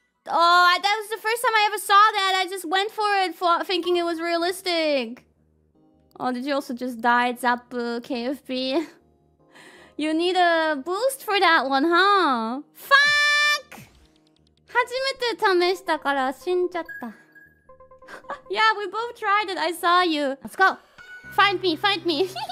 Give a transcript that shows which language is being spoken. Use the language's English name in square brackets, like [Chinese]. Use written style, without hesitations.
[English] Oh, that was the first time I ever saw that. I just went for it, thinking it was realistic. Oh, did you also just die, Zappu, KFB? You need a boost for that one, huh? Fuck! [Japanese] 初めて試したから死んじゃった。 [English] Yeah, we both tried it. I saw you. Let's go. Find me, find me.